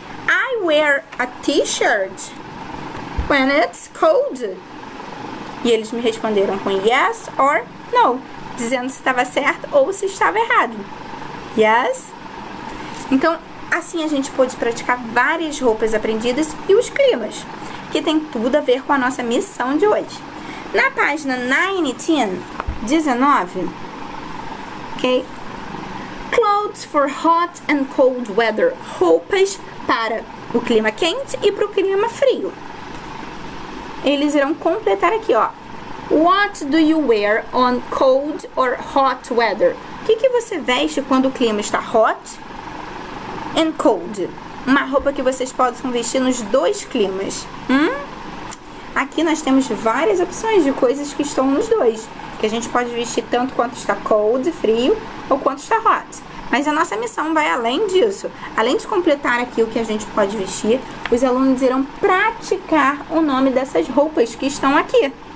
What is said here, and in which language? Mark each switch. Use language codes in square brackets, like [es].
[en] I wear a t-shirt when it's cold. [pt] E eles me responderam com [en] yes or no, [pt] dizendo se estava certo ou se estava errado. [en] Yes? [pt] Então, assim a gente pôde praticar várias roupas aprendidas e os climas, que tem tudo a ver com a nossa missão de hoje. Na página 19, ok? [en] Clothes for hot and cold weather. [pt] Roupas para o clima quente e para o clima frio. Eles irão completar aqui, ó. [en] What do you wear on cold or hot weather? [pt] O que, que você veste quando o clima está [en] hot and cold? [pt] Uma roupa que vocês podem vestir nos dois climas. Aqui nós temos várias opções de coisas que estão nos dois. Que a gente pode vestir tanto quanto está cold, frio, ou quanto está hot. Mas a nossa missão vai além disso. Além de completar aqui o que a gente pode vestir, os alunos irão praticar o nome dessas roupas que estão aqui.